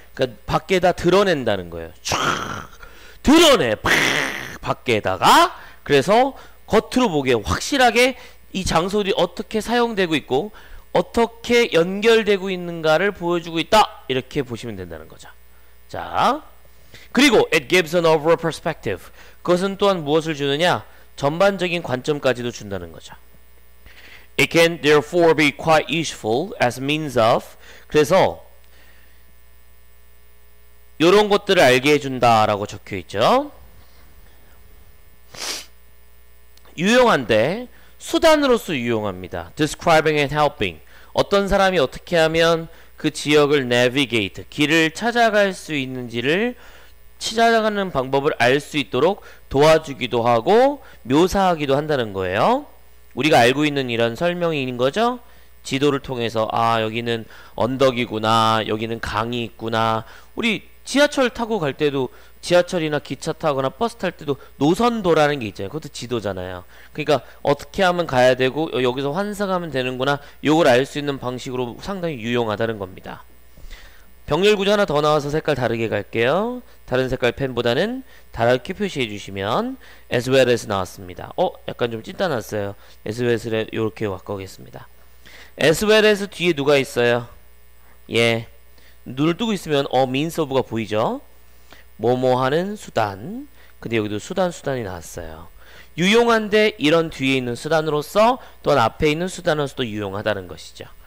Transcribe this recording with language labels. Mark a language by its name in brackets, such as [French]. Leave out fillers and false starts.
[Korean] 그러니까 밖에다 드러낸다는 거예요. 촤악 드러내 팍 밖에다가. 그래서 겉으로 보기에 확실하게 이 장소들이 어떻게 사용되고 있고 어떻게 연결되고 있는가를 보여주고 있다. 이렇게 보시면 된다는 거죠. 자, 그리고 [English] It gives an overall perspective. [Korean] 그것은 또한 무엇을 주느냐? 전반적인 관점까지도 준다는 거죠. [English] It can therefore be quite useful as a means of. [Korean] 그래서 이런 것들을 알게 해준다라고 적혀있죠. 유용한데 수단으로서 유용합니다. [English] Describing and helping. [Korean] 어떤 사람이 어떻게 하면 그 지역을 navigate, 길을 찾아갈 수 있는지를 찾아가는 방법을 알 수 있도록 도와주기도 하고 묘사하기도 한다는 거예요. 우리가 알고 있는 이런 설명인 거죠. 지도를 통해서 아 여기는 언덕이구나, 여기는 강이 있구나. 우리 지하철 타고 갈 때도 지하철이나 기차 타거나 버스 탈 때도 노선도라는 게 있잖아요. 그것도 지도잖아요. 그러니까 어떻게 하면 가야 되고 여기서 환승하면 되는구나, 이걸 알 수 있는 방식으로 상당히 유용하다는 겁니다. 병렬구조 하나 더 나와서 색깔 다르게 갈게요. 다른 색깔 펜보다는 다르게 표시해 주시면 [English] as well as [Korean] 나왔습니다. 약간 좀 찐따 났어요. [English] as well as [Korean] 이렇게 바꿔겠습니다. [English] as well as [Korean] 뒤에 누가 있어요? 예, 눈을 뜨고 있으면 [English] means of [Korean] 가 보이죠. 뭐뭐하는 수단. 근데 여기도 수단이 나왔어요. 유용한데 이런 뒤에 있는 수단으로서 또한 앞에 있는 수단으로서도 유용하다는 것이죠.